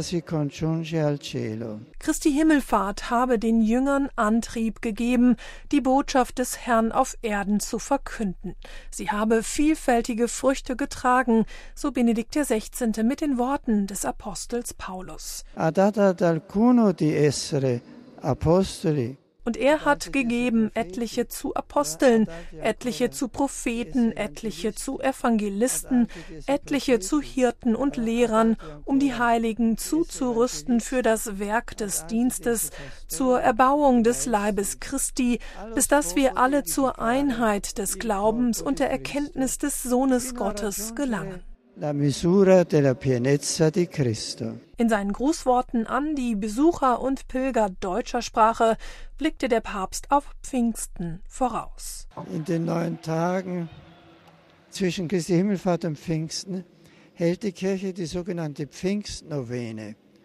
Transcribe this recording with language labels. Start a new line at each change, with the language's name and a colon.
German: Christi Himmelfahrt habe den Jüngern Antrieb gegeben, die Botschaft des Herrn auf Erden zu verkünden. Sie habe vielfältige Früchte getragen, so Benedikt der 16. mit den Worten des Apostels Paulus.
Italian: Ha dato ad alcuno di essere apostoli.
German: Und er hat gegeben, etliche zu Aposteln, etliche zu Propheten, etliche zu Evangelisten, etliche zu Hirten und Lehrern, um die Heiligen zuzurüsten für das Werk des Dienstes, zur Erbauung des Leibes Christi, bis dass wir alle zur Einheit des Glaubens und der Erkenntnis des Sohnes Gottes gelangen.
Italian: La misura della pienezza di Cristo.
German: In seinen Grußworten an die Besucher und Pilger deutscher Sprache blickte der Papst auf Pfingsten voraus. In den 9 Tagen zwischen Christi Himmelfahrt und Pfingsten hält die Kirche die sogenannte Pfingstnovene.